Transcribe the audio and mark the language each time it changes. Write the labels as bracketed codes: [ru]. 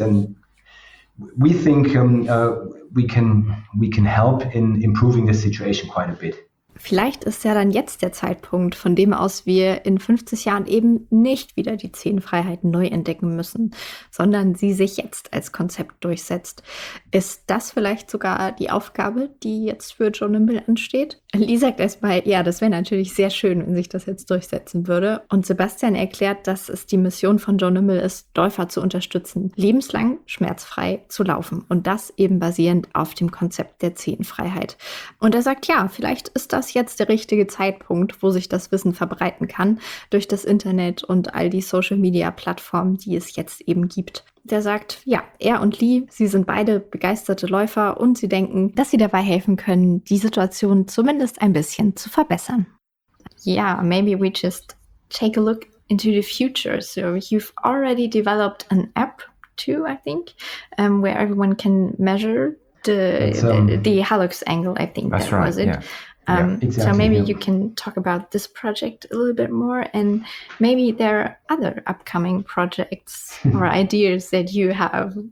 [en] And we think we can help in improving the situation quite a bit. [de] Vielleicht ist ja dann jetzt der Zeitpunkt, von dem aus wir in 50 Jahren eben nicht wieder die 10 Freiheiten neu entdecken müssen, sondern sie sich jetzt als Konzept durchsetzt. Ist das vielleicht sogar die Aufgabe, die jetzt für Joe Nimble ansteht? Lee sagt erstmal, ja, das wäre natürlich sehr schön, wenn sich das jetzt durchsetzen würde. Und Sebastian erklärt, dass es die Mission von Joe Nimble ist, Läufer zu unterstützen, lebenslang schmerzfrei zu laufen. Und das eben basierend auf dem Konzept der 10 Freiheit. Und er sagt, ja, vielleicht ist das jetzt der richtige Zeitpunkt, wo sich das Wissen verbreiten kann durch das Internet und all die Social-Media-Plattformen, die es jetzt eben gibt. Der sagt, ja, er und Lee, sie sind beide begeisterte Läufer und sie denken, dass sie dabei helfen können, die Situation zumindest ein bisschen zu verbessern. [en] Yeah, maybe we just take a look into the future. So you've already developed an app too, I think, where everyone can measure the hallux angle, I think. That's that right, was it. Yeah. Exactly, so maybe you can talk about this project a little bit more, and maybe there are other upcoming projects or ideas that you have.